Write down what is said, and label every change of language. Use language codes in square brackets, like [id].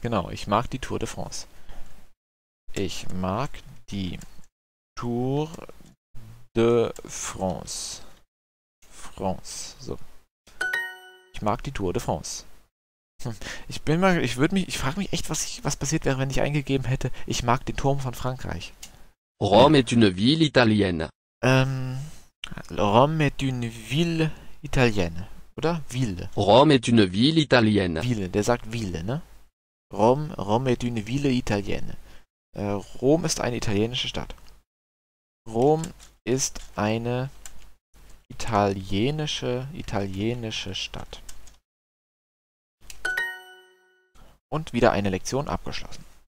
[de] Genau, ich mag die Tour de France. Ich mag die Tour de France. France, so. Ich mag die Tour de France. Ich frage mich echt, was passiert wäre, wenn ich eingegeben hätte, ich mag den Turm von Frankreich. [fr] Rom est une ville italienne. Rom est une ville italienne, [de] oder? [fr] Ville. Rom est une ville italienne. [de] Ville, der sagt Ville, ne? [fr] Rom est une ville italienne. [de] Rom ist eine italienische Stadt. Rom ist eine italienische Stadt. Und wieder eine Lektion abgeschlossen.